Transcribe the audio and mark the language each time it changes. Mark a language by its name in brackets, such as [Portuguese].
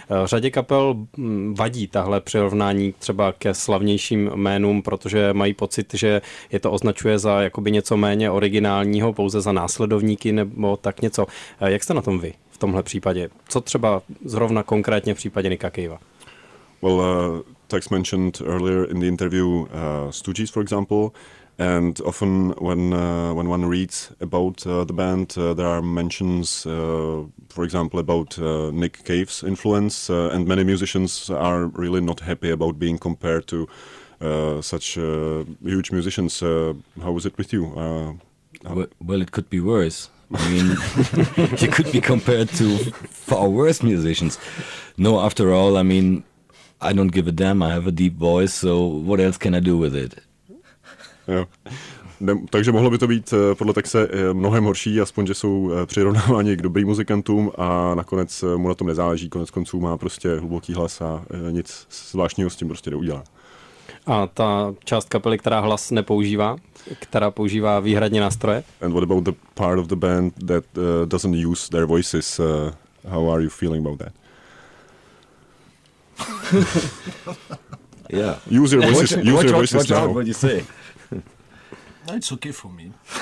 [Czech] Řadě kapel vadí tahle přirovnání třeba ke slavnějším jménům, protože mají pocit, že je to označuje za jakoby něco méně originálního, pouze za následovníky nebo tak něco. Jak jste na tom vy v tomhle případě? Co třeba zrovna konkrétně v případě Nicka Cavea? [English] Well, Tex mentioned earlier in the interview Stooges, for example, and often when one reads about the band, there are mentions, for example, about Nick Cave's influence, and many musicians are really not happy about being compared to such huge musicians. How is it with you? Well, it could be worse. I mean, he could be compared to far worse musicians. No, after all, I mean, I don't give a damn, I have a deep voice, so what else can I do with it? [Czech] Jo. Takže mohlo by to být podle Texe mnohem horší, aspoň, že jsou přirovnáváni k dobrým muzikantům a nakonec mu na tom nezáleží, konec konců má prostě hluboký hlas a nic zvláštního s tím prostě neudělá. A ta část kapely, která hlas nepoužívá, která používá výhradně nástroje? [English] And what about the part of the band that doesn't use their voices? How are you feeling about that? Yeah. Use your voices. Watch out what you say. It's okay for me.